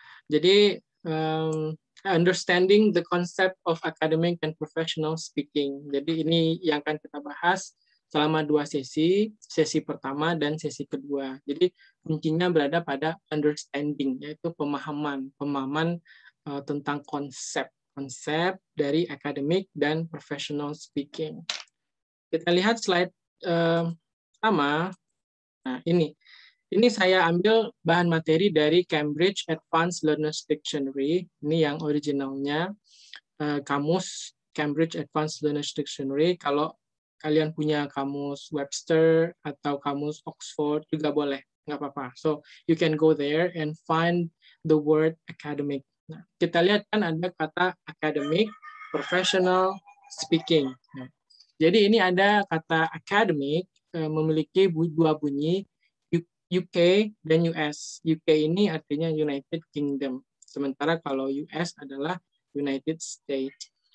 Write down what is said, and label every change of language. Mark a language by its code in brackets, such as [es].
[en] Jadi understanding the concept of academic and professional speaking. [id] Jadi ini yang akan kita bahas selama dua sesi, sesi pertama dan sesi kedua. Jadi kuncinya berada pada understanding, yaitu pemahaman, pemahaman tentang konsep, konsep dari [en] academic dan professional speaking. [id] Kita lihat slide pertama. Nah, ini. Ini saya ambil bahan materi dari Cambridge Advanced Learner's Dictionary. Ini yang originalnya, kamus Cambridge Advanced Learner's Dictionary. Kalau kalian punya kamus Webster atau kamus Oxford juga boleh, nggak apa-apa. [en] So, you can go there and find the word academic. [id] Nah, kita lihat kan ada kata academic, professional, speaking. Nah, jadi ini ada kata academic memiliki dua bunyi, UK dan US. UK ini artinya United Kingdom. Sementara kalau US adalah United States.